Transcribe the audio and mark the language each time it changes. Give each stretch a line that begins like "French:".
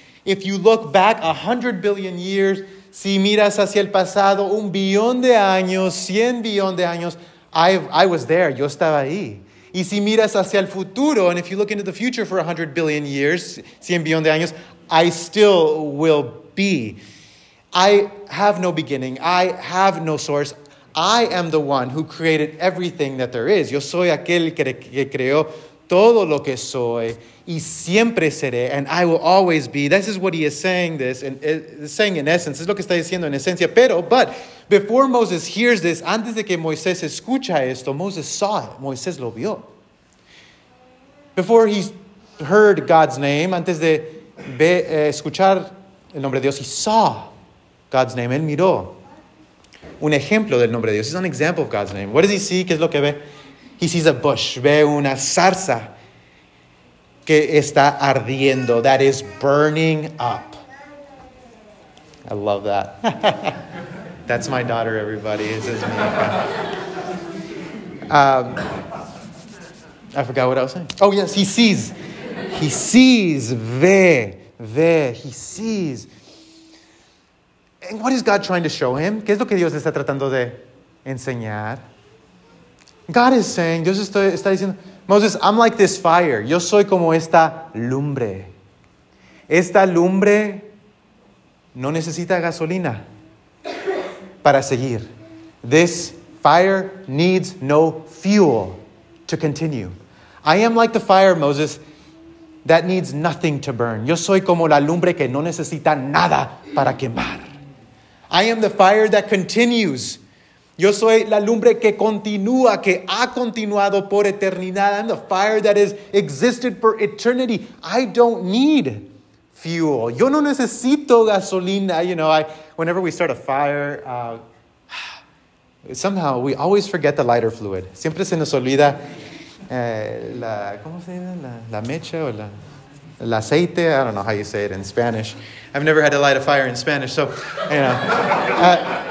English: If you look back 100 billion years,
Spanish: si miras hacia el pasado, 1 billón de años, 100 billón de años,
English: I was there.
Spanish: Yo estaba ahí. Y si miras hacia el futuro,
English: and if you look into the future for 100 billion years, 100 billion de años, I still will be. I have no beginning. I have no source. I am the one who created everything that there is.
Spanish: Yo soy aquel que creó todo lo que soy. Y siempre seré,
English: and I will always be. This is what he is saying, this is saying in essence.
Spanish: Es lo que está diciendo en esencia.
English: But before Moses hears this,
Spanish: antes de que Moisés escucha esto,
English: Moses saw it.
Spanish: Moisés lo vio.
English: Before he heard God's name,
Spanish: antes de escuchar el nombre de Dios,
English: he saw God's name.
Spanish: Él miró un ejemplo del nombre de Dios.
English: It's an example of God's name. What does he see?
Spanish: ¿Qué es lo que ve?
English: He sees a bush,
Spanish: ve una zarza que está ardiendo,
English: that is burning up. I love that. That's my daughter, everybody. This is me. I forgot what I was saying. Oh, yes, he sees. He sees, ve, he sees. And what is God trying to show him?
Spanish: ¿Qué es lo que Dios está tratando de enseñar?
English: God is saying,
Spanish: Dios está diciendo,
English: Moses, I'm like this fire.
Spanish: Yo soy como esta lumbre. Esta lumbre no necesita gasolina para seguir.
English: This fire needs no fuel to continue. I am like the fire, Moses, that needs nothing to burn.
Spanish: Yo soy como la lumbre que no necesita nada para quemar.
English: I am the fire that continues.
Spanish: Yo soy la lumbre que continúa, que ha continuado por eternidad.
English: I'm the fire that has existed for eternity. I don't need fuel.
Spanish: Yo no necesito gasolina.
English: You know, whenever we start a fire, somehow we always forget the lighter fluid.
Spanish: Siempre se nos olvida la, ¿cómo se llama? La mecha o el aceite.
English: I don't know how you say it in Spanish. I've never had to light a fire in Spanish, so, you know.